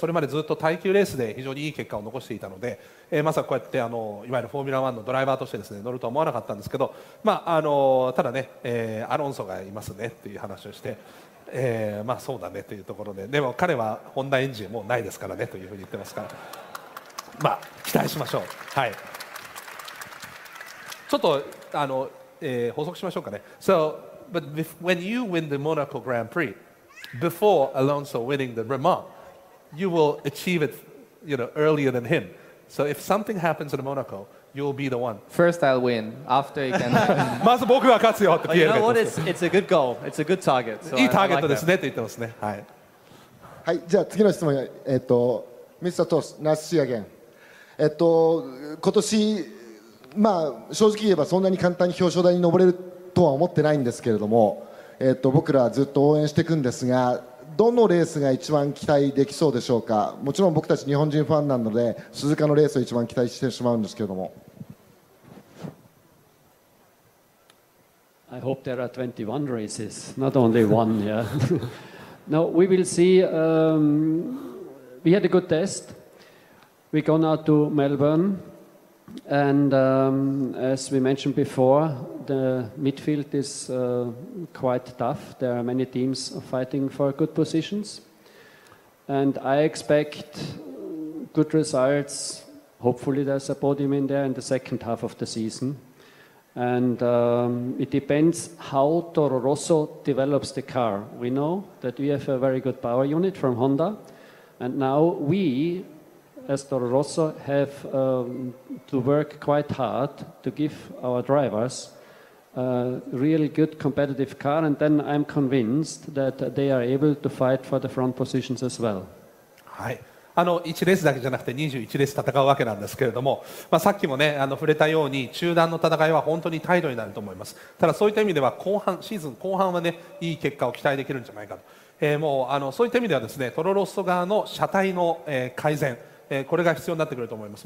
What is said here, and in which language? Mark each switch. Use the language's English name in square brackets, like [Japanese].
[Japanese] それまでずっと耐久レースで非常にいい結果を残していたので、まさかこうやっていわゆるフォーミュラ1のドライバーとしてですね乗るとは思わなかったんですけど、ただね、アロンソがいますねっていう話をして、そうだねというところで、でも彼はホンダエンジンもうないですからねというふうに言ってますから、期待しましょう。はい、ちょっと補足しましょうかね。 [English] So, but when you win the Monaco Grand Prix before Alonso winning the Le Mans, you will achieve it, you know, earlier than him. So if something happens in Monaco, you'll be the one. First I'll win, after you can [Japanese] まず僕が勝つよって言える。 [English] You know what, it's a good goal, it's a good target. [Japanese] いいターゲットですねって言ってますね。はい、はい、じゃあ次の質問、Mr. [English] Toss, nice to see you again. [Japanese] 今年正直言えばそんなに簡単に表彰台に登れるとは思ってないんですけれども、僕らはずっと応援していくんですが、どのレースが一番期待できそうでしょうか。もちろん僕たち日本人ファンなので鈴鹿のレースを一番期待してしまうんですけれども。 [English] I hope there are 21 races, not only one. Yeah. No, we will see. We had a good test. We gone out to Melbourne. And as we mentioned before, the midfield is quite tough. There are many teams fighting for good positions. And I expect good results. Hopefully there's a podium in there in the second half of the season. And it depends how Toro Rosso develops the car. We know that we have a very good power unit from Honda. And now we... as Toro Rosso have to work quite hard to give our drivers a real good competitive car, and then I'm convinced that they are able to fight for the front positions as well. [Japanese] はい、1レースだけじゃなくて21レース戦うわけなんですけれども、さっきもね触れたように中段の戦いは本当に態度になると思います。ただそういった意味では後半シーズン後半はねいい結果を期待できるんじゃないかと、そういった意味ではですねトロロッソ側の車体の、改善これが必要になってくると思います。